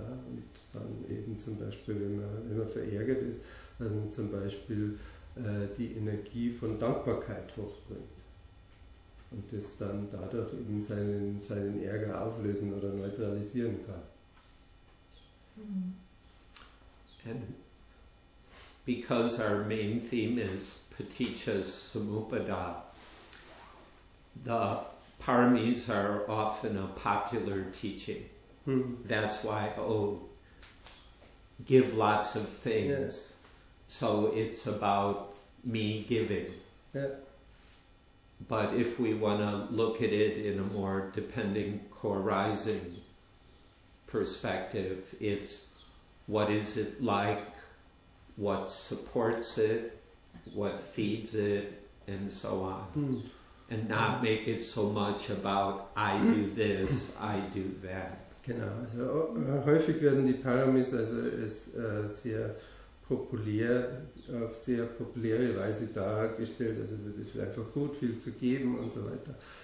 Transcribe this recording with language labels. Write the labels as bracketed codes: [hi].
[de] Und dann eben zum Beispiel, wenn man verärgert ist, dass man zum Beispiel die Energie von Dankbarkeit hochbringt und das dann dadurch eben seinen Ärger auflösen oder neutralisieren kann. [en] And because our main theme is Paticca Samuppada, the paramis are often a popular teaching. Mm-hmm. That's why, give lots of things. Yes. So it's about me giving. Yeah. But if we want to look at it in a more depending co-arising perspective, it's what is it like, what supports it, what feeds it, and so on. Mm. And not make it so much about I do this, I do that. [de] Genau, also häufig werden die Paramis also als sehr populäre Weise dargestellt, also das ist einfach gut, viel zu geben und so weiter.